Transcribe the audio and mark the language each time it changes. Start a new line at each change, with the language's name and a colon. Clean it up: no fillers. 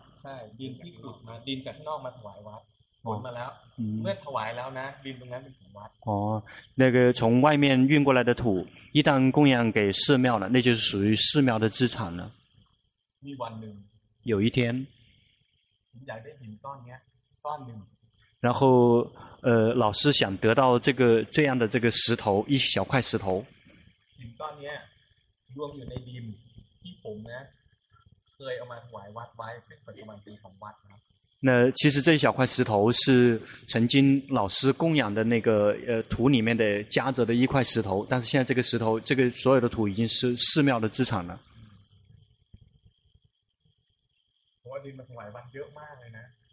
Thai: ใช่ดินที่ขุดมาดินจากข้างนอกมาถวายวัดขุดมาแล้วเมื่อถวายแล้วนะดินตรงนั้นเป็นของวัด นั่นก็
Chinese: 从外面运过来的土一旦供养给寺庙了那就是属于寺庙的资产了
Thai: มีวันหนึ่ง
Chinese: 有一天
Thai: ผมอยากได้หินก้อนเนี้ยก้อนหนึ่ง
Chinese: 然后老师想得到这个这样的这个石头一小块石头
Thai: หินก้อนเนี้ยรวมอยู่ในดินที่ผมนะเคยเอามาถวายวัดไว้เป็นปัจจุบันเป็นของวัดนะ
Chinese: 那其实这小块石头是曾经老师供养的那个土里面的夹着的一块石头，但是现在这个石头，这个所有的土已经是寺庙的资产了。
Thai: ว่าดินมาถวายวัดเยอะมากเลยนะ